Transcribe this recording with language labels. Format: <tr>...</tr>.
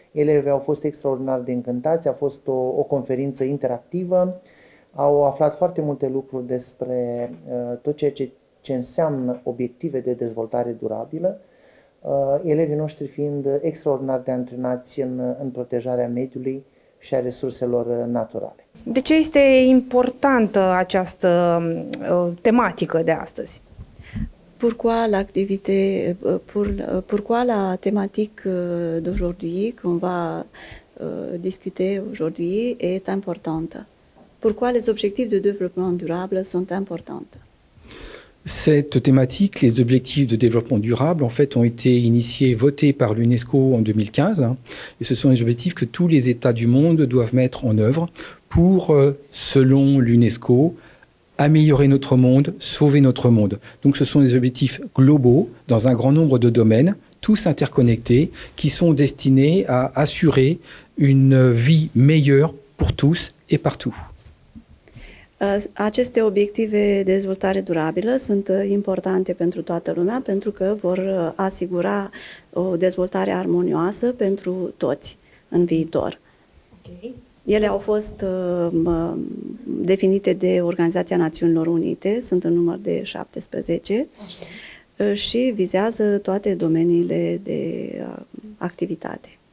<ro>Elevii au fost extraordinar de încântați, a fost o conferință interactivă, au aflat foarte multe lucruri despre tot ceea ce înseamnă obiective de dezvoltare durabilă, elevii noștri fiind extraordinar de antrenați în protejarea mediului și a resurselor naturale. De ce este importantă această tematică de astăzi?</ro> <fr>Pourquoi la thématique d'aujourd'hui, qu'on va discuter aujourd'hui, est importante? Pourquoi les objectifs de développement durable sont importants? Cette thématique, les objectifs de développement durable, en fait, ont été initiés, votés par l'UNESCO en 2015. Et ce sont les objectifs que tous les États du monde doivent mettre en œuvre pour, selon l'UNESCO, améliorer notre monde, sauver notre monde. Donc ce sont des objectifs globaux dans un grand nombre de domaines, tous interconnectés, qui sont destinés à assurer une vie meilleure pour tous et partout.</fr> <ro>Aceste obiective de dezvoltare durabilă sunt importante pentru toată lumea pentru că vor asigura o dezvoltare armonioasă pentru toți în viitor. Okay. Ele au fost definite de Organizația Națiunilor Unite, sunt în număr de 17, okay, și vizează toate domeniile de activitate.</ro>